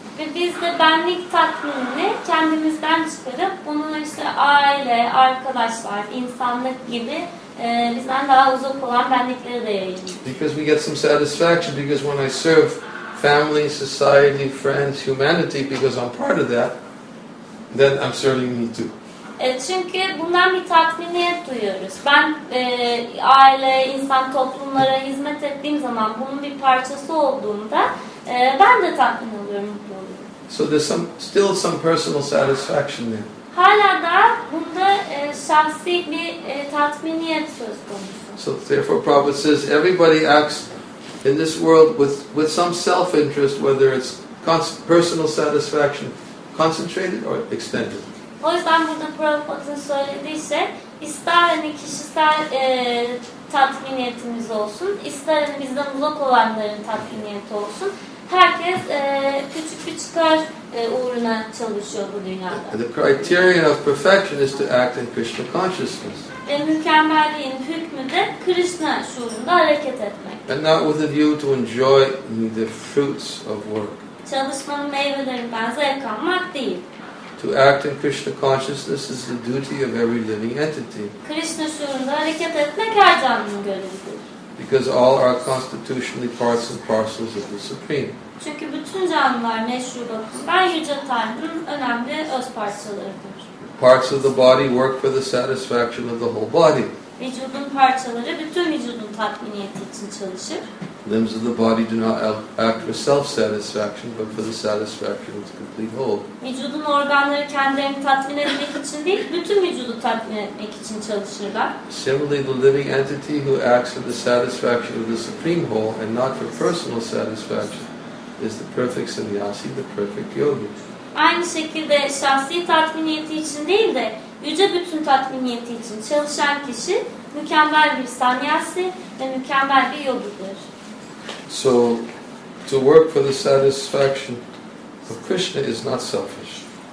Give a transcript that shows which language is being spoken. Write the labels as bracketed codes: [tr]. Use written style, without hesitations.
[tr] Ve biz de benlik tatminini kendimizden çıkarıp bunun işte aile, arkadaşlar, insanlık gibi bizden daha uzak olan benliklere de yayılıyoruz. [en] Because we get some satisfaction because when I serve family, society, friends, humanity, because I'm part of that, then I'm serving me too. [tr] Çünkü bundan bir tatminiyet duyuyoruz. Ben aile, insan, toplumlara hizmet ettiğim zaman bunun bir parçası olduğumda ben de tatmin oluyorum, mutlu oluyorum. [en] So there's still some personal satisfaction there. [tr] Hala da bunda şahsi bir tatminiyet söz konusu. [en] So therefore Prabhupada says everybody acts in this world with some self-interest, whether it's personal satisfaction, concentrated or extended. [tr] O yüzden burada Prabhupada'nın söylediği şey, ister hani kişisel tatminiyetimiz olsun, ister hani bizden uzak olanların tatminiyeti olsun. Herkes küçük bir çıkar uğruna çalışıyor bu dünyada. [en] The criterion of perfection is to act in Krishna consciousness. [tr] Ve mükemmelliğin hükmü de Krishna şuurunda hareket etmek. [en] And not with a view to enjoy the fruits of work. [tr] Çalışmanın meyvelerinden zevk almak değil. [en] To act in Krishna consciousness is the duty of every living entity. [tr] Krishna şuurunda hareket etmek her canlının görevidir. [en] Because all are constitutionally parts and parcels of the Supreme. [tr] Çünkü bütün canlılar meşru bakımdan Yüce Tanrı'nın önemli öz parçalarıdır. [en] Parts of the body work for the satisfaction of the whole body. [tr] Vücudun parçaları bütün vücudun tatminiyeti için çalışır. [en] Limbs of the body do not act for self-satisfaction, but for the satisfaction of the complete whole. [tr] Vücudun organları kendilerini tatmin etmek için değil, bütün vücudu tatmin etmek için çalışırlar. [en] Similarly, the living entity who acts for the satisfaction of the supreme whole and not for personal satisfaction is the perfect sannyasi, the perfect yogi. [tr] Aynı şekilde şahsi tatminiyeti için değil de yüce bütün tatminiyeti için çalışan kişi mükemmel bir sannyasi ve mükemmel bir yogidir. [en] So, to work for the satisfaction of Krishna is not selfish.